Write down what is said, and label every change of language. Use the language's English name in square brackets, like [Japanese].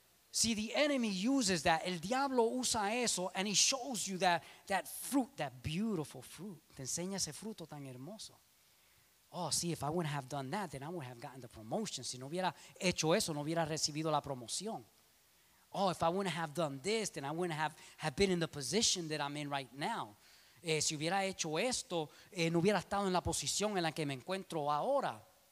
[English] See, the enemy uses that, [Spanish] el diablo usa eso, [English] and he shows you that fruit, that beautiful fruit. [Spanish] Te enseña ese fruto tan hermoso. [English] Oh, see, if I wouldn't have done that, then I would have gotten the promotion. [Spanish] Si no hubiera hecho eso, no hubiera recibido la promoción. [English] Oh, if I wouldn't have done this, then I wouldn't have been in the position that I'm in right now. [Spanish] Si hubiera hecho esto, no hubiera estado en la posición en la que me encuentro ahora.